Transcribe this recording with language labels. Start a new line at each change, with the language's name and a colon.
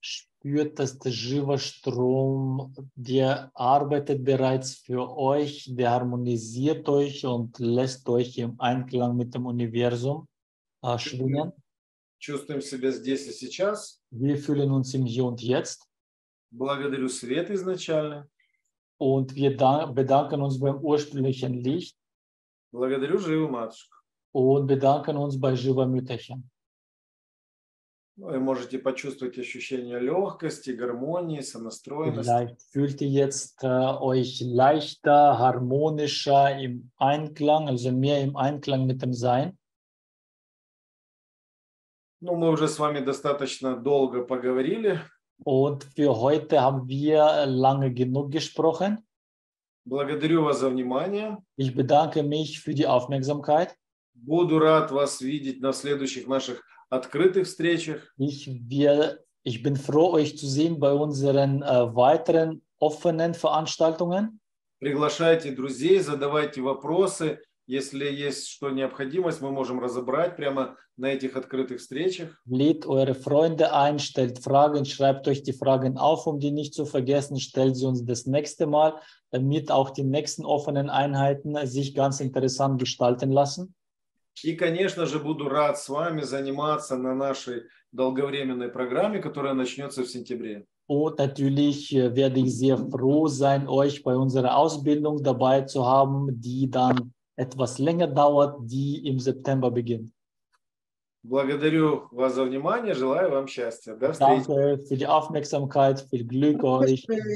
German: Spürt, dass der Живострom, der arbeitet bereits für euch, der harmonisiert euch und lässt euch im Einklang mit dem Universum schwingen.
Russian: Чувствуем себя здесь и сейчас.
German: Wir fühlen uns im Hier und Jetzt.
Russian: Благодарю свет изначально.
German: Und wir bedanken uns beim ursprünglichen Licht.
Russian: Благодарю живу матушку.
German: Und bedanken uns bei Живо Мütterchen.
Russian: Вы можете почувствовать ощущение легкости, гармонии, сонастроенности.
German: Fühlt ihr jetzt euch leichter, harmonischer im Einklang, also mehr im Einklang mit dem Sein?
Russian: Ну, мы уже с вами достаточно долго поговорили.
German: Und für heute haben wir lange genug gesprochen.
Russian: Благодарю вас за внимание.
German: Ich bedanke mich für die Aufmerksamkeit.
Russian: Буду рад вас видеть на следующих наших открытых встречах.
German: Ich bin froh, euch zu sehen bei unseren weiteren offenen Veranstaltungen.
Russian: Приглашайте друзей, задавайте вопросы. Если есть что необходимость, мы можем разобрать прямо на этих открытых встречах.
German: Lädt eure Freunde ein, stellt Fragen, schreibt euch die Fragen auf, um die nicht zu vergessen. Stellt sie uns das nächste Mal, damit auch die nächsten offenen Einheiten sich ganz interessant gestalten lassen.
Russian: И, конечно же, буду рад с вами заниматься на нашей долговременной программе, которая начнется в сентябре.
German: Und natürlich werde ich sehr froh sein, euch bei unserer Ausbildung dabei zu haben, die dann etwas länger dauert, die im September beginnt.
Russian: Благодарю вас за внимание, желаю вам счастья. До встречи.
German: Danke für die Aufmerksamkeit, viel Glück euch.